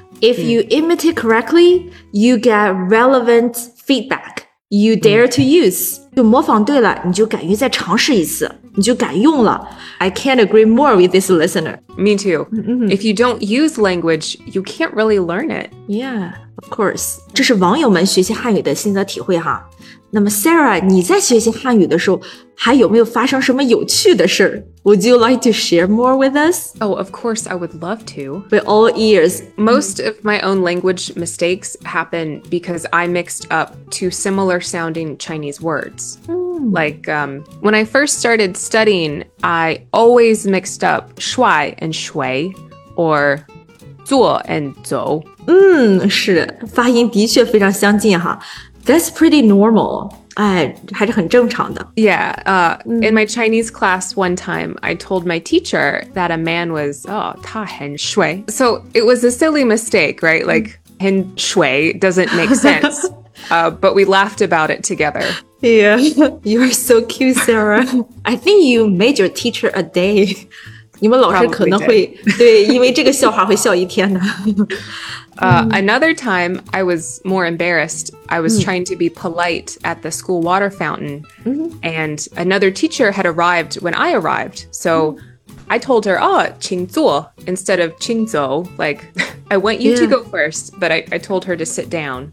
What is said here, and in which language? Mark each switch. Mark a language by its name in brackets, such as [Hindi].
[English] If you imitate correctly, you get relevant feedback. You dare to use. [Chinese] 就模仿对了，你就敢于再尝试一次，你就敢用了。 [English] I can't agree more with this listener. Me too. If you don't use language, you can't really learn it. Yeah, of course. [Chinese] 这是网友们学习汉语的心得体会哈。那么 Sarah, 你在学习汉语的时候，还有没有发生什么有趣的事儿？ [English] Would you like to share more with us? Oh, of course, I would love to. We're all ears. Most of my own language mistakes happen because I mixed up two similar sounding Chinese words. Like, when I first started studying, I always mixed up shuai and shui, or zuo and zou. [Chinese] 是，发音的确非常相近哈。 [English] That's pretty normal. [Chinese] 还是很正常的。 [English] Yeah, in my Chinese class one time, I told my teacher that a man was, [Chinese] ta hen shui. [English] So it was a silly mistake, right? Like, [Chinese] hen shui [English] doesn't make sense. but we laughed about it together. Yeah, you're so cute, Sarah. I think you made your teacher a day. [Chinese] 你们老师可能会对，因为这个笑话会笑一天呢。 [English] Another time, I was more embarrassed. I was trying to be polite at the school water fountain, and another teacher had arrived when I arrived. So I told her, [Chinese] qing zuo, [English] instead of [Chinese] qing zou. [English] Like, I want you to go first, but I told her to sit down.